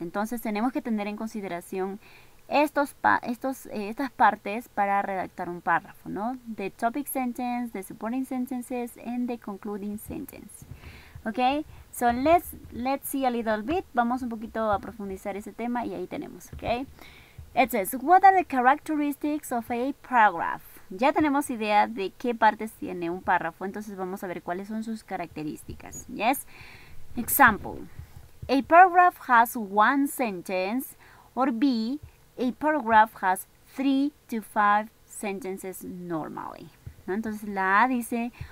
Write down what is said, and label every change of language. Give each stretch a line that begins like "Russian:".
Spanish: Entonces, tenemos que tener en consideración estas partes para redactar un párrafo, ¿no?
English: The topic sentence, the supporting sentences, and the concluding sentence. Okay, so let's see a little bit.
Spanish: Vamos un poquito a profundizar ese tema y ahí tenemos, okay?
English: It says, what are the characteristics of a paragraph?
Spanish: Ya tenemos idea de qué partes tiene un párrafo, entonces vamos a ver cuáles son sus características.
English: Yes? Example, a paragraph has one sentence, or B, a paragraph has 3 to 5 sentences normally.
Spanish: ¿No? Entonces la A dice,